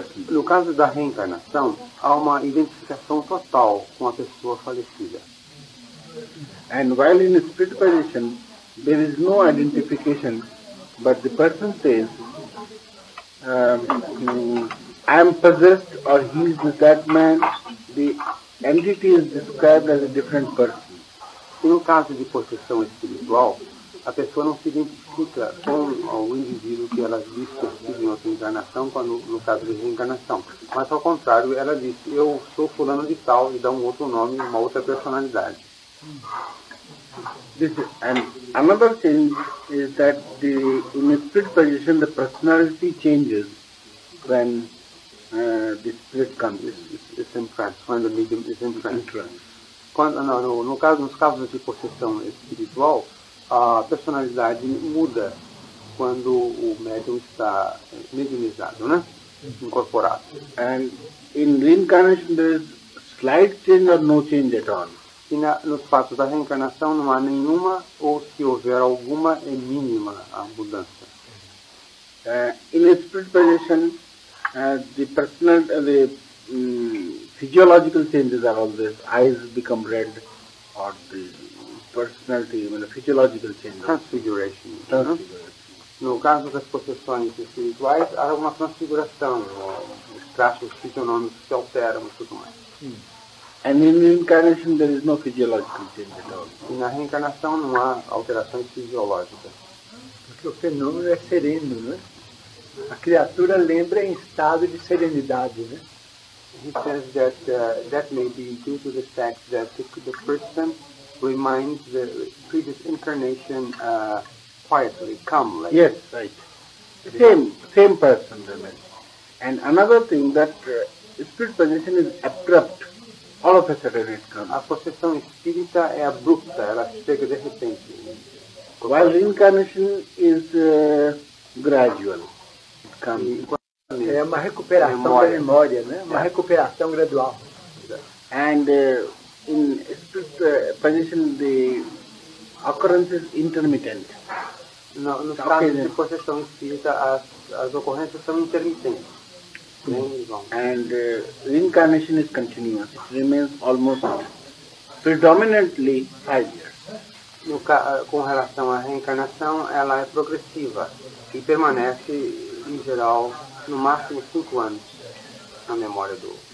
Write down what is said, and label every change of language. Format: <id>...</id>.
<pt>No caso da reencarnação, há uma identificação total com a pessoa falecida.</pt> <en>And while in a spirit position, there is no identification, but the person says, I am possessed, or he is that man, the entity is described as a different person.</en> <pt>No caso de possessão espiritual, a pessoa não se identifica com o indivíduo que ela diz que vive em outra encarnação, quando, no caso de reencarnação. Mas ao contrário, ela diz, eu sou fulano de tal, e dá um outro nome, uma outra personalidade.</pt> <en>This is, and another thing is that the in a spirit position the personality changes when the spirit comes. It's in trance, when the medium is in trance.</en> <pt>Quando no caso nos casos de possessão espiritual, a personalidade muda quando o médium está mediumizado, né? Incorporado.</pt> <en>And in reincarnation there is slight change or no change at all.</en> <pt>Que na, nos fatos da reencarnação não há nenhuma, ou se houver alguma, é mínima a mudança.</pt> <en>In a spirit position, the personal, the physiological changes are always, eyes become red, or the personality, physiological changes. Transfiguration. Transfiguration.</en> <pt>No caso das possessões espirituais, há uma transfiguração, os traços fisionômicos se alteram e tudo mais.</pt> <en>And in reincarnation, there is no physiological change at all.</en> <pt>Na reencarnação, não há alterações fisiológicas. Porque o fenômeno é sereno, né? A criatura lembra em estado de serenidade, né?</pt> <en>He says that that may be due to the fact that the person reminds the previous incarnation quietly, calmly. Yes, right. Same person, remember. And another thing, that spirit position is abrupt. All of a sudden it comes.</en> <pt>A possessão espírita é abrupta, ela chega de repente.</pt> <en>While reincarnation is gradual, it comes.</en> <pt>É uma recuperação memória. Da memória, né? Uma recuperação gradual.</pt> <en>And in spirit position, the occurrence is intermittent.</en> <pt>No caso de possessão espírita, as ocorrências são intermitentes.</pt> <en>And reincarnation is continuous. It remains almost predominantly 5 years.</en> <pt>No com relação à reencarnação, ela é progressiva e permanece, em geral, no máximo 5 anos na memória do.</pt>